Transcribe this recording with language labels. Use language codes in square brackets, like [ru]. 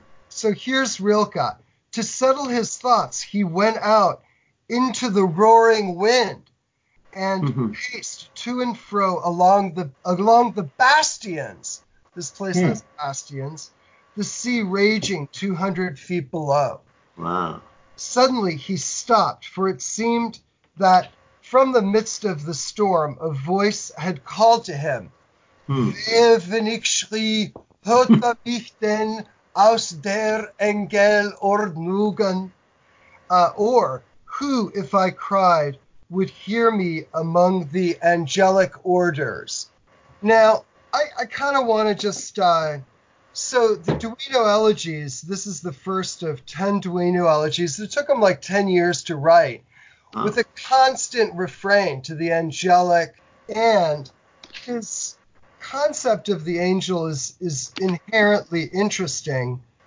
[en] So here's Rilke. To settle his thoughts, he went out into the roaring wind and paced to and fro along the bastions, this place has bastions, the sea raging 200 feet below. Wow. Suddenly he stopped, for it seemed that from the midst of the storm, a voice had called to him. [de] Wer wenn ich schrie, hörte mich denn aus der Engel Ordnungen? [en] Or, who, if I cried, would hear me among the angelic orders. Now, I kind of want to just, so the Duino elegies, this is the first of 10 Duino elegies. It took them like 10 years to write, with a constant refrain to the angelic, and his concept of the angel is inherently interesting.